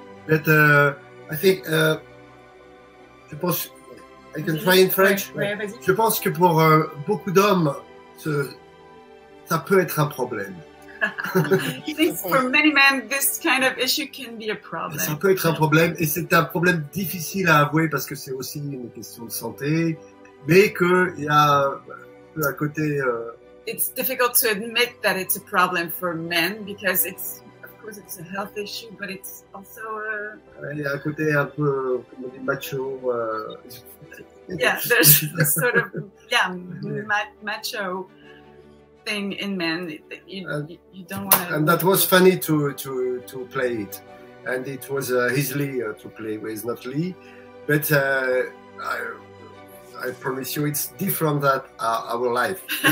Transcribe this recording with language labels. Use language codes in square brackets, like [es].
[en] But I think, [fr] je pense, [en] I can try in French. [fr] Ouais, je pense que pour beaucoup d'hommes, ça peut être un problème. [en] I think for many men, this kind of issue can be a problem. [fr] Ça peut être un problème, et c'est un problème difficile à avouer parce que c'est aussi une question de santé, mais qu'il y a à côté. [en] It's difficult to admit that it's a problem for men because it's, of suppose it's a health issue, but it's also a... [fr] Il y a un côté un peu, comme on dit, macho. [en] Yeah, there's this sort of, macho thing in men that you don't want to... And that was funny to play it. And it was his Lee to play with, not Lee. But I promise you, it's different than our life.